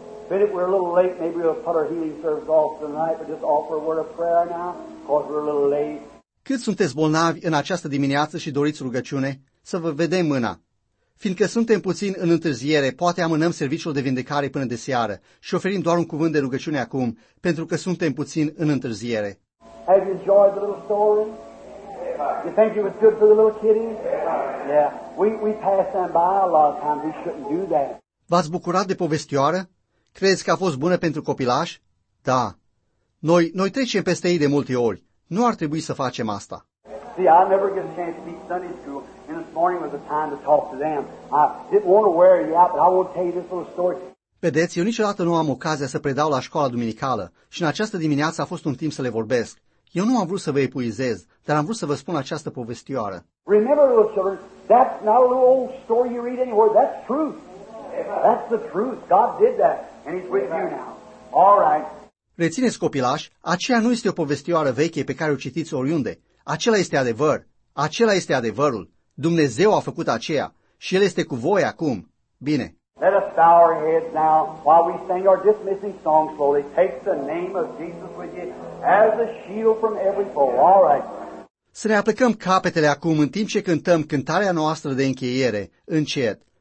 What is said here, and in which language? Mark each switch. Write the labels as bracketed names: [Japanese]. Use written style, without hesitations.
[English] We're a little late, maybe we'll put our healing service off tonight, but just offer a word of prayer now, because we're a little late. [Romanian] Cât sunteți bolnavi în această dimineață și doriți rugăciune? Să vă vedem mâna. Fiindcă suntem puțin în întârziere, poate amânăm serviciul de vindecare până de seară și oferim doar un cuvânt de rugăciune acum, pentru că suntem puțin în întârziere. [English] Have you enjoyed the little story? Yeah. You think it was good for the little kiddies? Yeah. We pass them by a lot of times, we shouldn't do that. [Romanian] V-ați bucurat de povestioară? Crezi că a fost bună pentru copilași? Da. Noi trecem peste ei de multe ori. Nu ar trebui să facem asta. [English] See, I never get a chance to teach Sunday school, and this morning was the time to talk to them. I didn't want to wear you out, but I want to tell you this little story. [Romanian] Vedeți, eu niciodată nu am ocazia să predau la școala duminicală și în această dimineață a fost un timp să le vorbesc. Eu nu am vrut să vă epuizez, dar am vrut să vă spun această povestioară. [English] Remember, little children, that's not a little old story you read anywhere. That's truth. That's the truth. God did that, and He's with you now. All right. [Romanian] Rețineți, copilași, aceea nu este o povestioară veche pe care o citiți oriunde. Acela este adevăr. Acela este adevărul. Dumnezeu a făcut aceea și El este cu voi acum. Bine. [English] Let us bow our heads now while we sing our dismissing song slowly. Take the name of Jesus with you as a shield from every foe. All right. [Romanian] Să ne aplicăm capetele acum în timp ce cântăm cântarea noastră de încheiere, încet.